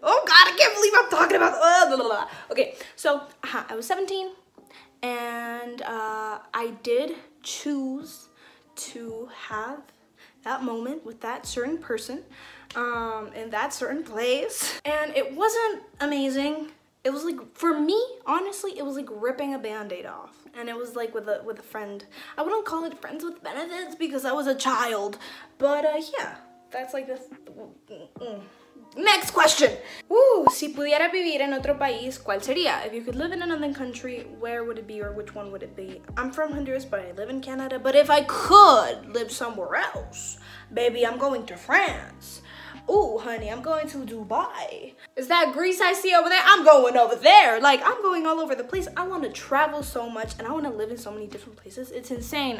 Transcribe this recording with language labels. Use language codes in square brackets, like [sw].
[en] Oh God, I can't believe I'm talking about, blah, blah, blah. Okay, so I was 17 and I did choose to have that moment with that certain person in that certain place. And it wasn't amazing. It was like, for me, honestly, it was like ripping a band-aid off. And it was like with a friend. I wouldn't call it friends with benefits because I was a child. But yeah, that's like the Next question. [es] Woo, si pudiera vivir en otro país, ¿cuál sería? [en] If you could live in another country, where would it be or which one would it be? I'm from Honduras, but I live in Canada. But if I could live somewhere else, baby, I'm going to France. Ooh, honey, I'm going to Dubai. Is that Greece I see over there? I'm going over there. Like, I'm going all over the place. I want to travel so much and I want to live in so many different places. It's insane.